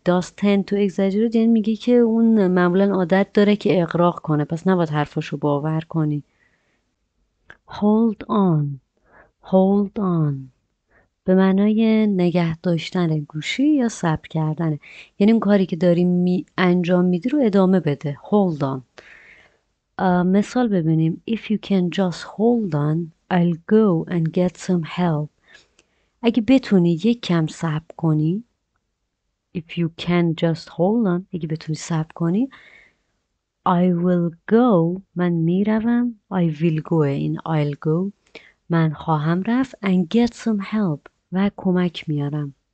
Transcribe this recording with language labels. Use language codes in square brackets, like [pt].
[en] Does tend to exaggerate [fa] یعنی میگه که اون معمولا عادت داره که اغراق کنه، پس نباید حرفاشو باور کنی. [en] Hold on. [fa] Hold on به معنای نگه داشتن گوشی یا صبر کردن، یعنی اون کاری که داری انجام میدی رو ادامه بده. Hold on. مثال ببینیم. [en] If you can just hold on, I'll go and get some help. [fa] اگه بتونی یک کم صبر کنی، [en] if you can just hold on، [fa] اگه بتونی صبر کنی، [en] I will go، [fa] من میروم، I will go، این [en] I'll go، [fa] من خواهم رفت، [en] and get some help، [fa] و کمک میارم.